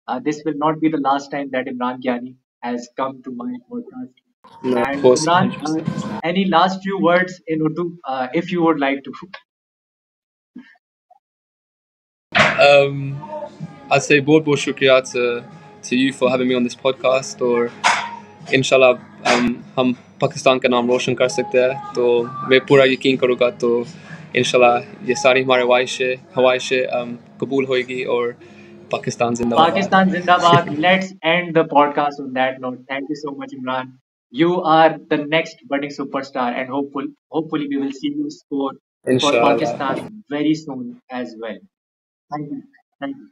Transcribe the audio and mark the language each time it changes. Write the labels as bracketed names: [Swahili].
[English] This will not be the last time that Imran Kayani has come to my podcast. No, and of course. Imran, any last few words in Urdu, if you would like to? I'd say [Urdu] بہت بہت شکریہ [English] to you for having me on this podcast. [Urdu] اور ان شاءاللہ، ہم پاکستان کا نام روشن کر سکتے ہیں۔ تو میں پورا یقین کروں گا۔ تو ان شاءاللہ، یہ ساری ہماری خواہشیں قبول ہوگی اور پاکستان زندہ باد۔ Pakistan zindabad. [English] Let's end the podcast on that note. Thank you so much, Imran. You are the next budding superstar, and hopefully we will see you score inshallah for Pakistan very soon as well. Thank you.